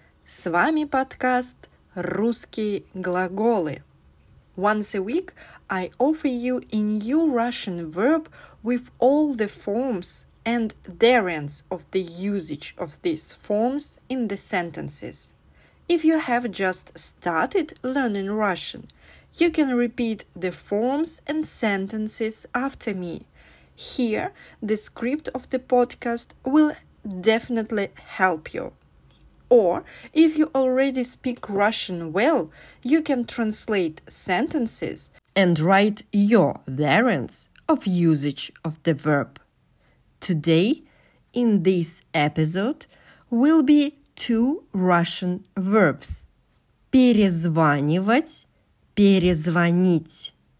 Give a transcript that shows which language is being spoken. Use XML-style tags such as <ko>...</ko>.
<ru>С вами подкаст «Русские глаголы».</ru> <en>Once a week, I offer you a new Russian verb with all the forms and variants of the usage of these forms in the sentences. If you have just started learning Russian, you can repeat the forms and sentences after me. Here, the script of the podcast will definitely help you. Or, if you already speak Russian well, you can translate sentences and write your variants of usage of the verb. Today, in this episode, will be two Russian verbs.</en> <ru>Перезванивать, перезвонить.</ru>